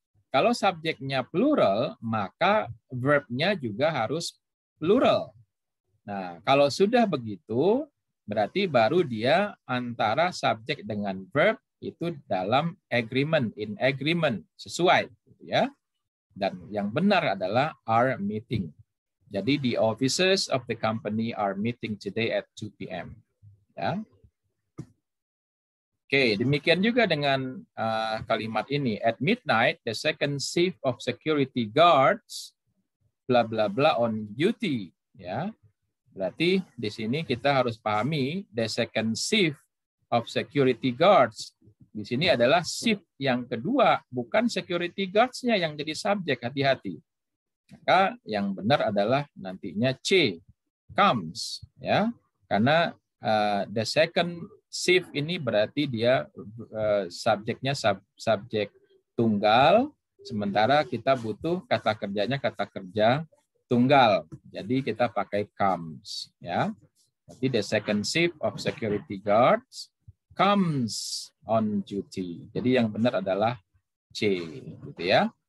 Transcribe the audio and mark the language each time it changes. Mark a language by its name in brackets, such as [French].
[Indonesian] Kalau subjeknya plural, maka verbnya juga harus plural. Nah, kalau sudah begitu, berarti baru dia antara subjek dengan verb itu dalam agreement, in agreement, sesuai, ya. Dan yang benar adalah are meeting. Jadi [English] the officers of the company are meeting today at 2 p.m. [Indonesian] Ya. Oke, demikian juga dengan kalimat ini. [English] At midnight, the second shift of security guards bla bla bla on duty. Ya. [Indonesian] Berarti di sini kita harus pahami [English] the second shift of security guards. [Indonesian] Di sini adalah shift yang kedua, bukan security guards-nya yang jadi subjek, hati-hati. Maka yang benar adalah nantinya C, comes, ya. Karena the second shift ini berarti dia subjeknya subjek tunggal, sementara kita butuh kata kerjanya kata kerja tunggal. Jadi kita pakai comes, ya. Jadi [English] the second shift of security guards comes on duty. [Indonesian] Jadi yang benar adalah C, gitu ya.